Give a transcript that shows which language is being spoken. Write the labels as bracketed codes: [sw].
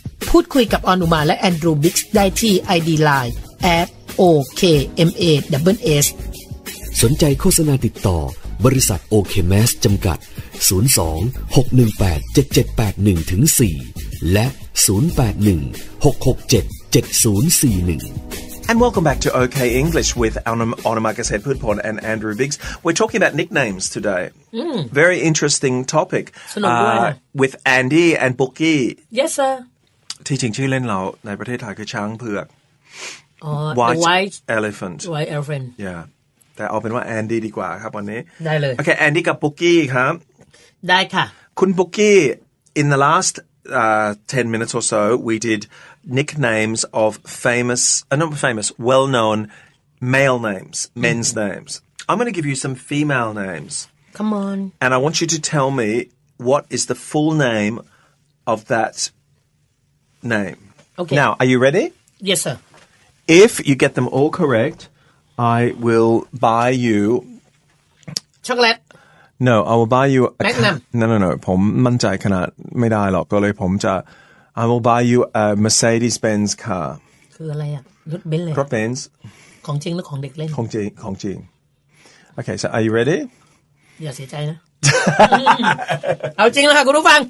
[th] พูดคุยกับออนอุมาและแอนดรูบิกซ์ได้ที่ ID Line @okmas สนใจโฆษณาติดต่อบริษัท OK Mass จำกัด02-618-7781-4 และ0816677041 [en] And welcome back to OK English with Onomakaset Putpon and Andrew Biggs. We're talking about nicknames today. Very interesting topic. With Andy and Bookie. Yes, sir. [th] ที่จริงชื่อเล่นเราในประเทศไทยคือช้างเผือก [en] White Elephant. White Elephant. Yeah. [th] แต่เอาเป็นว่าแอนดี้ดีกว่าครับวันนี้ได้เลย โอเคแอนดี้กับปุ๊กกี้ครับ ได้ค่ะ [en] คุณปุ๊กกี้ in the last 10 minutes or so we did nicknames of famous not famous well known male names men's names I'm going to give you some female names come on and I want you to tell me what is the full name of that name okay now are you ready yes sir if you get them all correct I will buy you chocolate no I will buy you a Magnum [th] no ผมมั่นใจขนาดไม่ได้หรอกก็เลยผมจะ [en] I will buy you a Mercedes-Benz car [th] คืออะไรอ่ะรถเบนซ์เลย รถเบนซ์ของจริงหรือของเด็กเล่น ของจริงของจริง [en] okay so are you ready [th] อย่าเสียใจนะเอาจริงแล้วค่ะคุณผู้ฟัง